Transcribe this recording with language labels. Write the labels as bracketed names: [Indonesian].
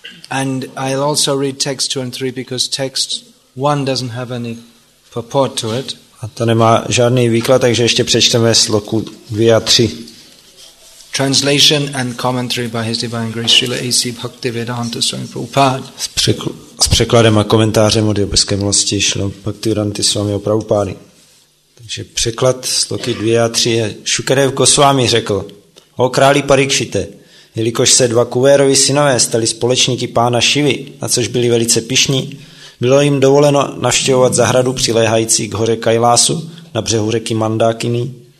[English] And I'll also read text 2 and 3 because text 1 doesn't have any purport to it. [Czech] A to nemá žádný výklad, takže ještě přečteme sloku 2 a 3. [English] Translation and commentary by His Divine Grace Srila A.C. Bhaktivedanta Swami Prabhupada. [Czech] S překladem a komentářem od Jeho milosti Srila Bhaktivedanta Swami Prabhupada. Takže překlad sloky 2 a 3 je: Shukadev Goswami řekl, o králi Parikšite, jelikož se dva Kuvérovi synové stali společníky pána Šivy, na což byli velice pyšní, bylo jim dovoleno navštěvovat zahradu přiléhající k hoře Kailásu na břehu řeky Mandákiny.